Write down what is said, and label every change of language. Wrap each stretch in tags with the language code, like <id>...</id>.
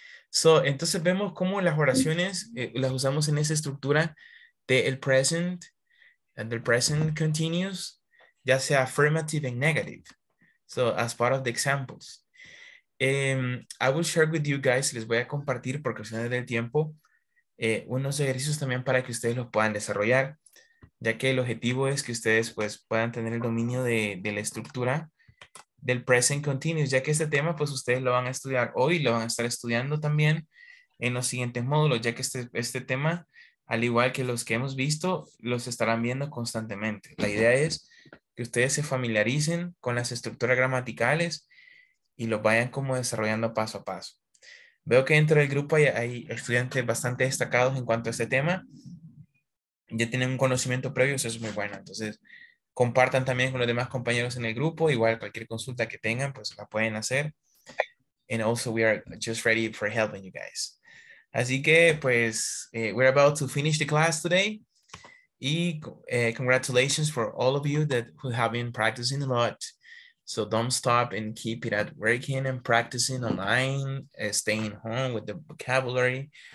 <es>So, entonces vemos cómo las oraciones las usamos en esa estructura del present.</es> <en>And the present continuous,</en> <es>ya sea</es> <en>affirmative and negative. So, as part of the examples. I will share with you guys,</en> <es>les voy a compartir por cuestiones del tiempo, unos ejercicios también para que ustedes los puedan desarrollar, ya que el objetivo es que ustedes pues, puedan tener el dominio de la estructura del present continuous, ya que este tema pues ustedes lo van a estudiar hoy, lo van a estar estudiando también en los siguientes módulos, ya que este tema, al igual que los que hemos visto, los estarán viendo constantemente. La idea es que ustedes se familiaricen con las estructuras gramaticales y los vayan como desarrollando paso a paso. Veo que dentro del grupo hay estudiantes bastante destacados en cuanto a este tema. Ya tienen un conocimiento previo, eso es muy bueno. Entonces, compartan también con los demás compañeros en el grupo. Igual, cualquier consulta que tengan, pues la pueden hacer.</es> <en>And also, we are just ready for helping you guys.</en> <es>Así que, pues,</es> <en>we're about to finish the class today. Y congratulations for all of you that who have been practicing a lot. So don't stop and keep it at working and practicing online, staying home with the vocabulary.</en>